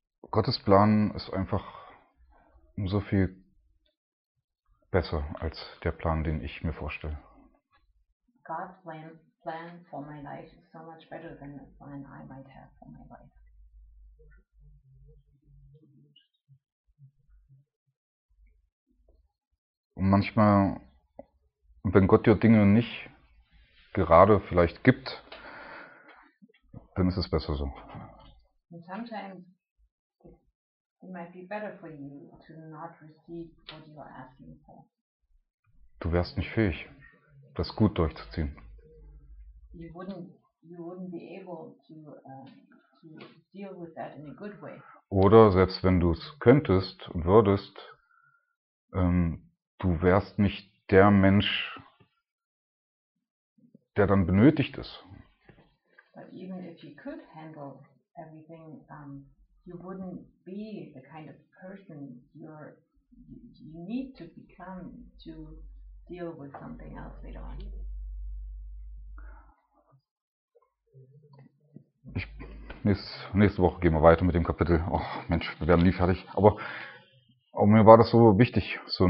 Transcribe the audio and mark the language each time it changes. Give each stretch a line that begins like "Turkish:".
German: Gottes Plan ist einfach so viel besser als der Plan, den ich mir vorstelle.
English: God's plan for my life is so much better than the plan I might have for my life.
German: Und manchmal, wenn Gott dir Dinge nicht gerade vielleicht gibt, dann ist es besser so.
English: And sometimes it might be better for you to not receive what you are asking for.
German: Du wärst nicht fähig, das gut durchzuziehen.
English: You wouldn't be able to deal with that in a good way.
German: Oder selbst wenn du es könntest und würdest, du wärst nicht der Mensch, der dann benötigt ist.
English: But even if you could handle everything, you wouldn't be the kind of person you need to become to deal with something else later on.
German: Nächste Woche gehen wir weiter mit dem Kapitel. Oh Mensch, wir werden nie fertig. Aber mir war das so wichtig.